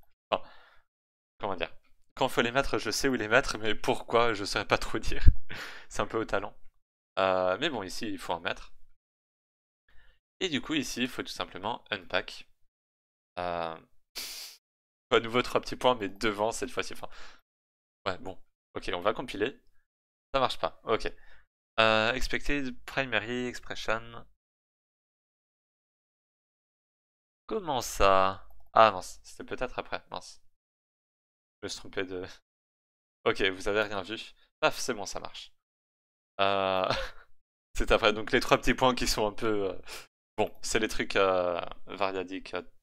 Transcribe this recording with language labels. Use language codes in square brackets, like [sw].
[fr] Enfin, comment dire? Quand faut les mettre, je sais où les mettre, mais pourquoi, je saurais pas trop dire. C'est un peu au talent. Mais bon, ici il faut en mettre. Et du coup ici il faut tout simplement unpack. À nouveau trois petits points, mais devant cette fois-ci. Enfin, ouais, bon. Ok, on va compiler. Ça marche pas. Ok. [en] Expected primary expression. [fr] Comment ça? Ah mince, c'était peut-être après. Mince. Je me suis trompé de. Ok, vous avez rien vu. Paf, c'est bon, ça marche. C'est après. Donc les trois petits points qui sont un peu. Bon, c'est les trucs variadiques.